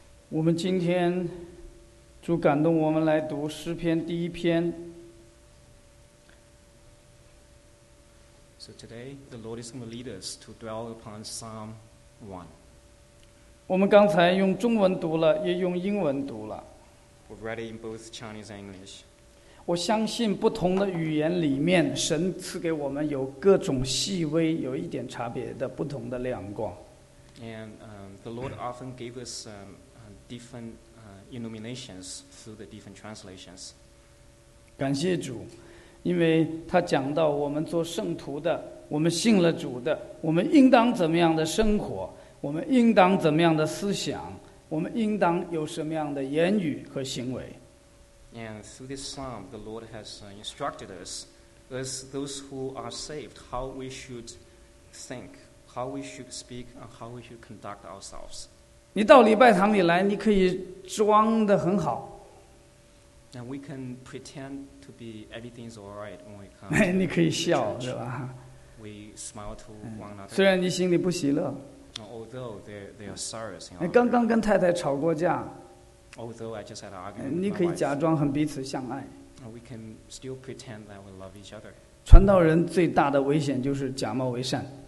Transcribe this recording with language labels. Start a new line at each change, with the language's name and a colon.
Chinese: 我们今天主感动我们来读诗篇第一篇。
English: So today, the Lord is going to lead us to dwell upon Psalm 1.
Chinese: 我们刚才用中文读了，也用英文读了。
English: We've read it in both Chinese and English.
Chinese: 我相信不同的语言里面，神赐给我们有各种细微、有一点差别的不同的亮光。
English: And the Lord often gave us different illuminations through the different translations.
Chinese: 感谢主，因为他讲到我们做圣徒的，我们信了主的，我们应当怎么样的生活，我们应当怎么样的思想，我们应当有什么样的言语和行为。
English: And through this psalm, the Lord has instructed us, as those who are saved, how we should think, how we should speak, and how we should conduct ourselves.
Chinese: 你到礼拜堂里来，你可以装得很好。
English: And we can pretend to be everything's all right when we come.
Chinese: 你可以笑，是吧？
English: We smile to one another.
Chinese: 虽然你心里不喜乐。
English: Although they are sorrows.
Chinese: 刚刚跟太太吵过架。
English: Although I just had an argument,
Chinese: 你可以假装很彼此相爱。
English: We can still pretend that we love each other.
Chinese: 传道人最大的危险就是假冒为善。